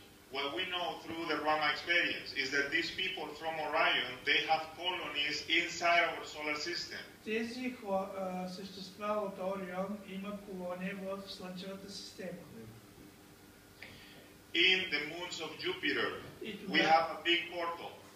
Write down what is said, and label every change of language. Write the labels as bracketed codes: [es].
[en] What we know through the Rama experience is that these people from Orion, they have colonies inside our solar system. [bg] Тези същества от Орион имат колония в Слънчевата система. [en] In the moons of Jupiter, we have a big portal.